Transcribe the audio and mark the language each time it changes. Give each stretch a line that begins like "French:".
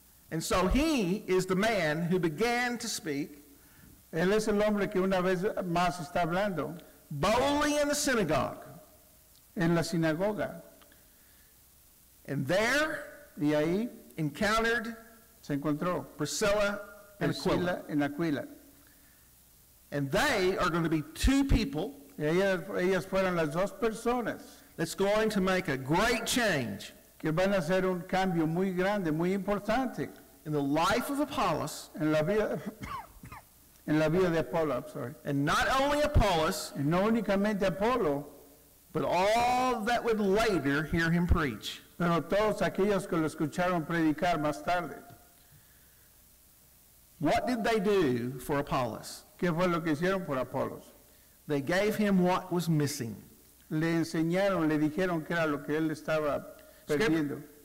English: And so he is the man who began to speak.
Spanish: Él es el hombre que una vez más está hablando.
English: Boldly in the synagogue.
Spanish: En la sinagoga.
English: And there,
Spanish: y ahí,
English: encountered,
Spanish: se encontró,
English: Priscilla and Aquila.
Spanish: En Aquila.
English: And they are going to be two people.
Spanish: Y ellas fueron las dos personas.
English: That's going to make a great change.
Spanish: Que van a hacer un cambio muy grande, muy importante.
English: In the life of Apollos.
Spanish: En la vida de Apollo,
English: I'm sorry. And not only Apollos.
Spanish: Y no únicamente Apollo.
English: But all that would later hear him preach.
Spanish: Pero todos aquellos que lo escucharon predicar más tarde.
English: What did they do for Apollos?
Spanish: ¿Qué fue lo que hicieron por Apollos?
English: They gave him what was missing.
Spanish: Le enseñaron, le dijeron qué era lo que él estaba perdiendo.